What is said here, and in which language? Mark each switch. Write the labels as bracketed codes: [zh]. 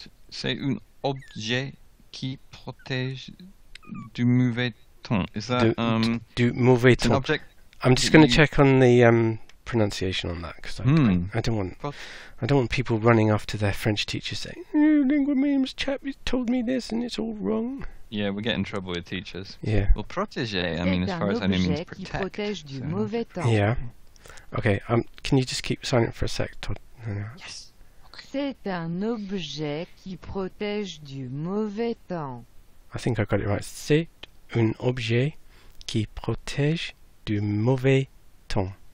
[fr] C'est un objet qui protège du mauvais temps. [en] Is that [fr] du mauvais temps? Object. [en] I'm just gonna check on the pronunciation on that, because I don't want people running off to their French teacher saying, Lingua Memes chap told me this and it's all wrong. Yeah, we get in trouble with teachers. Yeah. Well, protégé, I mean, as far as I know, means protect. [fr] Du mauvais temps. [en] Yeah. Okay, can you just keep silent for a sec, Todd? Yes. Okay. [fr] C'est un objet qui protège du mauvais temps. [en] I think I got it right. [fr] C'est un objet qui protège du mauvais temps.